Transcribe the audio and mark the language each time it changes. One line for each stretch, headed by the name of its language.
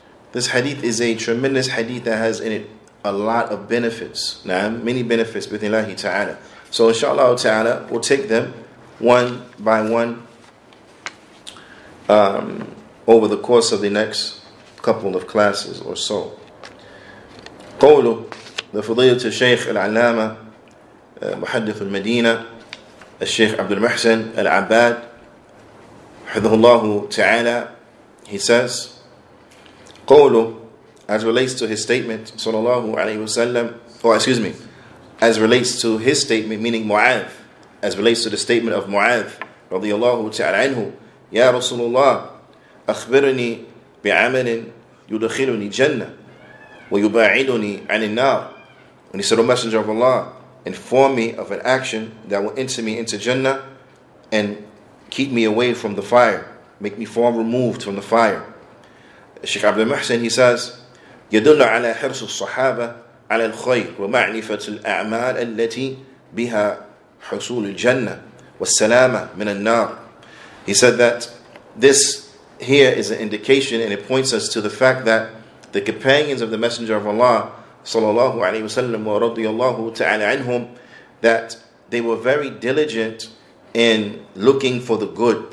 English: This hadith is a tremendous hadith that has in it a lot of benefits. Naam, many benefits with Allah Ta'ala. So inshallah Ta'ala, we'll take them one by one over the course of the next couple of classes or so.
Arabic: قولوا the فضيلة الشيخ العلامة محدث المدينة الشيخ عبد المحسن العباد حفظه الله تعالى.
English: He says قولوا, as relates to his statement صلى الله عليه وسلم, as relates to his statement, meaning Mu'adh, as relates to the statement of Mu'adh رضي الله تعالى عنه,
Arabic: يا رسول الله أخبرني بعمل يدخلني جنة ويباعدني عن النار.
English: When he said, O Messenger of Allah, inform me of an action that will enter me into Jannah and keep me away from the fire, make me far removed from the fire.
Arabic: Sheikh Abdul Muhsin,
English: he says,
Arabic: يَدُلُّ عَلَى حِرْصُ الصَّحَابَةِ عَلَى الْخَيْرِ وَمَعْنِفَةُ الْأَعْمَالِ الَّتِي بِهَا حُصُولُ الْجَنَّةِ وَالسَّلَامَةِ مِنَ النَّارِ.
English: He said that this here is an indication, and it points us to the fact that the companions of the Messenger of Allah sallallahu alayhi wa sallam wa radiyallahu ta'ala anhum, that they were very diligent in looking for the good.